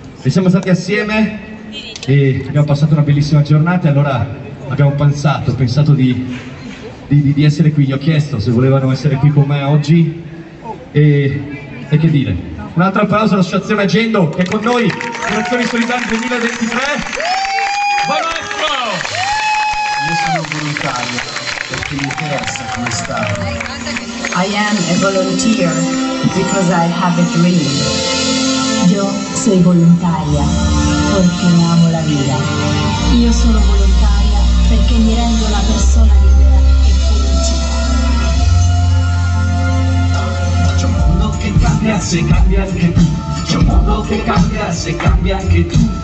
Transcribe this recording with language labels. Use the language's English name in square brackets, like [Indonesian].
[Italian] E siamo stati assieme e abbiamo passato una bellissima giornata, e allora abbiamo pensato di essere qui. Gli ho chiesto se volevano essere qui con me oggi, e che dire, un altro applauso all'associazione Agendo, che è con noi, Relazioni Solidali 2023. Buonasera! Io sono volontario, perché mi interessa come sta. [English] I am a volunteer because I have a dream. [Italian] Io sono volontaria perché amo la vita. Io sono volontaria perché mi rendo una persona libera e felice. C'è un mondo che cambia se cambia anche tu. C'è un mondo che cambia se cambia anche tu.